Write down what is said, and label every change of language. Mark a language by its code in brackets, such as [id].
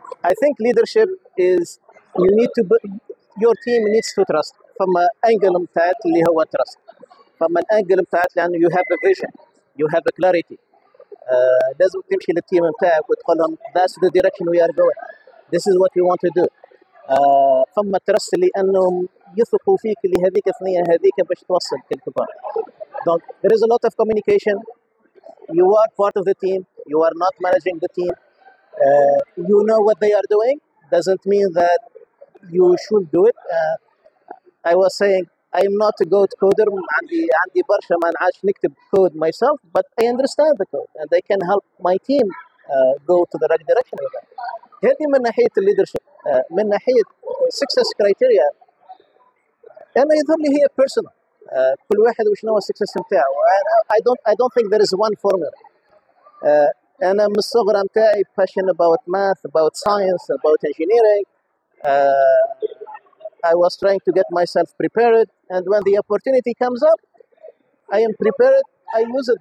[en] I think leadership is you need to be, your team needs to trust from an angle that [ar] اللي هو [en] trust from an angle that [ar] لأنه [en] you have a vision, you have a clarity. [ar] لازم تمشي للتيم بتاعك وتقولهم [en] that's the direction we are going, this is what we want to do. From a trust [ar] لأنهم يثقوا فيك اللي هذيك ثنية هذيك باش توصل كل كبار. [en] There is a lot of communication. You are part of the team. You are not managing the team. You know what they are doing. Doesn't mean that you should do it. I was saying I'm not a good coder. [ar] عندي برشا ما نعرفش نكتب [en] code myself, but I understand the code and I can help my team go to the right direction. [ar] هذه من ناحية leadership. من ناحية success criteria. أنا يظهر لي هي personal. كل واحد وش نوع السكسس نتاعه. [en] I don't think there is one formula. [ar] أنا من الصغر نتاعي [en] passion about math, about science, about engineering. I was trying to get myself prepared, and when the opportunity comes up, I am prepared. I use it.